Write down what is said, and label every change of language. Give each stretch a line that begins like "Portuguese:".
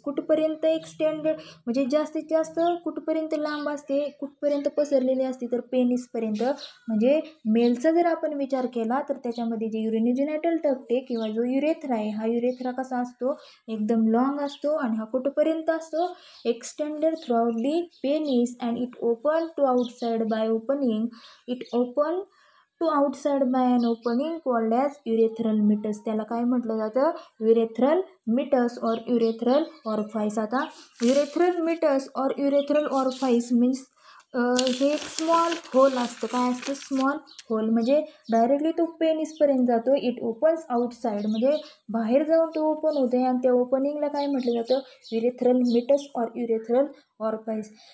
Marathi: कुठपर्यंत एक्सटेंडेड म्हणजे जास्तीत जास्त कुठपर्यंत लांब असते, कुठपर्यंत पसरलेली असते, तर पेनिस पर्यंत. म्हणजे मेलचा जर आपण विचार केला तर त्याच्यामध्ये जे युरिनोजेनाइटल डक्ट आहे किंवा जो युरेथ्रा आहे हा युरेथ्रा कसा असतो, एकदम लॉन्ग असतो आणि हा कुठपर्यंत असतो,
English: Extended throughout the penis and it open to outside by opening. It open to outside by an opening called as urethral meatus.
Marathi: त्याला काय म्हटलं जातं, युरेथ्रल मिटस ऑर युरेथ्रल ऑरफाईस. आता युरेथ्रल मिटस ऑर युरेथ्रल ऑरफाईस मीन्स हे एक स्मॉल होल असतं. काय असतं, स्मॉल होल म्हणजे डायरेक्टली तो पेनिसपर्यंत जातो.
English: it opens outside
Marathi: म्हणजे बाहेर जाऊन तो ओपन होतो आणि त्या ओपनिंगला काय म्हटलं जातं, युरेथ्रल मिटस ऑर युरेथ्रल ऑरफाईस.